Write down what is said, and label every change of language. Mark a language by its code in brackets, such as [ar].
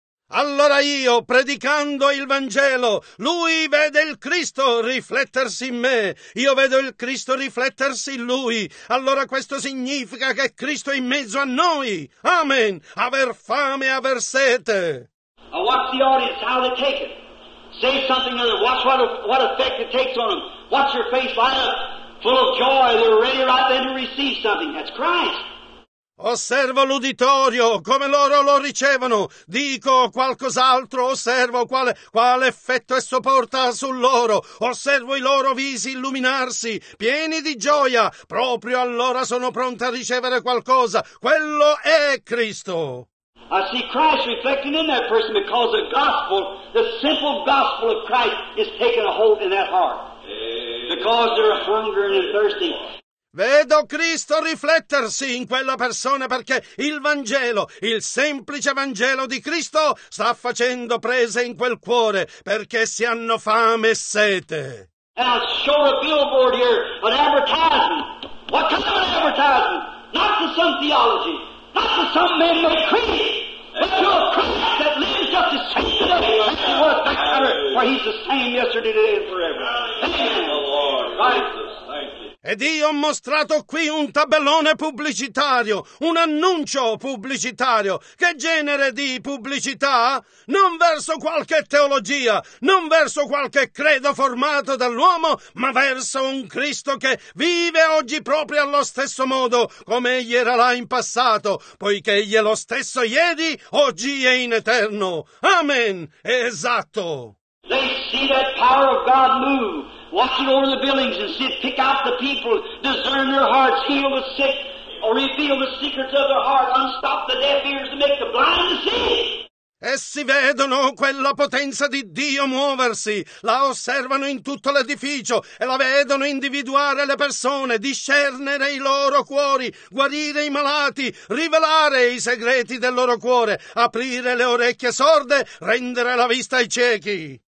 [it] Allora io, predicando il Vangelo, lui vede il Cristo riflettersi in me, io vedo il Cristo riflettersi in lui, allora questo significa che Cristo è in mezzo a noi. Amen! Aver fame e aver sete! [en] I watch the audience, how they take it. Say something to them, watch what effect it takes on them. Watch your face light up, full of joy, they're ready right then to receive something. That's Christ! [it] Osservo l'uditorio, come loro lo ricevono, dico qualcos'altro, osservo quale effetto esso porta su loro, osservo i loro visi illuminarsi, pieni di gioia, proprio allora sono pronto a ricevere qualcosa, quello è Cristo. [en] I see Christ reflecting in that person because the gospel, the simple gospel of Christ is taking a hold in that heart, because they're hungering and thirsty. [it] Vedo Cristo riflettersi in quella persona perché il Vangelo, il semplice Vangelo di Cristo, sta facendo presa in quel cuore perché si hanno fame e sete. [en] And I show a billboard here, an advertisement. What kind of an advertisement? Not to some theology, not to some man-made creed, but to a Christ that lives up to same today. That's the word, that's better, for he's the same yesterday, today, and forever. Amen. The Lord. Right. [it] Ed io ho mostrato qui un tabellone pubblicitario, un annuncio pubblicitario. Che genere di pubblicità? Non verso qualche teologia, non verso qualche credo formato dall'uomo, ma verso un Cristo che vive oggi proprio allo stesso modo come egli era là in passato, poiché egli è lo stesso ieri, oggi e in eterno. Amen! Esatto! [en] They see that power of God move. Watch it over the buildings and see it pick out the people, discern their hearts, heal the sick, or reveal the secrets of their heart, unstop the deaf ears and make the blind to see. [it] Essi vedono quella potenza di Dio muoversi, la osservano in tutto l'edificio e la vedono individuare le persone, discernere i loro cuori, guarire i malati, rivelare i segreti del loro cuore, aprire le orecchie sorde, rendere la vista ai ciechi.